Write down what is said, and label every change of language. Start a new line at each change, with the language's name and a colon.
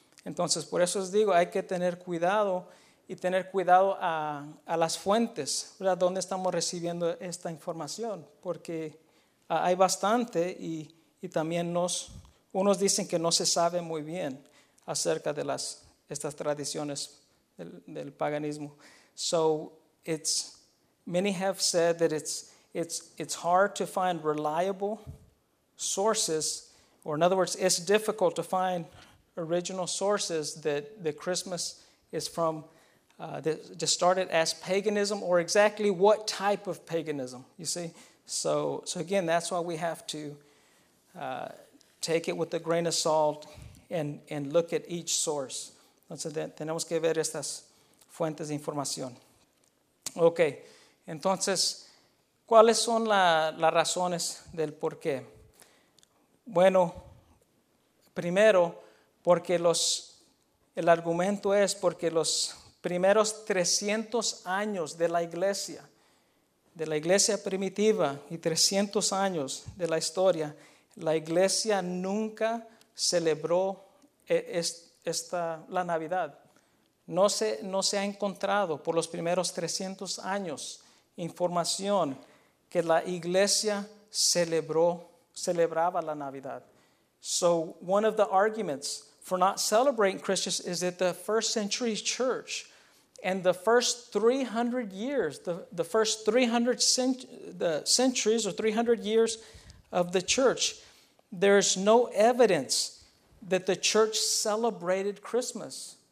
Spanish: Entonces, por eso os digo, hay que tener cuidado y tener cuidado a las fuentes, ¿verdad? ¿Dónde estamos recibiendo esta información? Porque hay bastante y también unos dicen que no se sabe muy bien acerca de estas tradiciones del paganismo.
English: So many have said that it's hard to find reliable sources, or in other words, it's difficult to find original sources that the Christmas is from, that started as paganism, or exactly what type of paganism, you see? So again, that's why we have to take it with a grain of salt and look at each source.
Spanish: Entonces, tenemos que ver estas fuentes de información. Okay, entonces, ¿cuáles son las razones del por qué? Bueno, primero, porque el argumento es porque los primeros 300 años de la iglesia, primitiva, y 300 años de la historia, la iglesia nunca celebró la Navidad. No se ha encontrado por los primeros 300 años información que la iglesia celebraba la Navidad.
English: So one of the arguments for not celebrating Christmas is that the first century church and the first 300 years, the first 300 centuries or 300 years of the church, there's no evidence that the church celebrated Christmas.